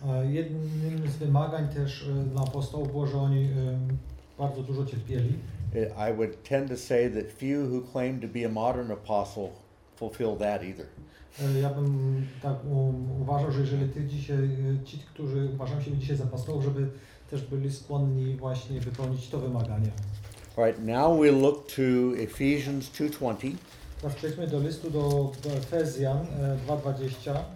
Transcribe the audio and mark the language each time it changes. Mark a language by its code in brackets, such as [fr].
[pl] Jednym z wymagań też dla apostołów było, że oni bardzo dużo cierpieli. [en] I would tend to say that few who claim to be a modern apostle fulfill that either. [pl] Ja bym tak uważał, że jeżeli ty dzisiaj, ci, którzy uważają się dzisiaj za apostołów, żeby też byli skłonni właśnie wypełnić to wymaganie. [en] All right, now we look to Ephesians 2:20. [pl] Teraz przejdźmy do listu do Efezjan 2:20.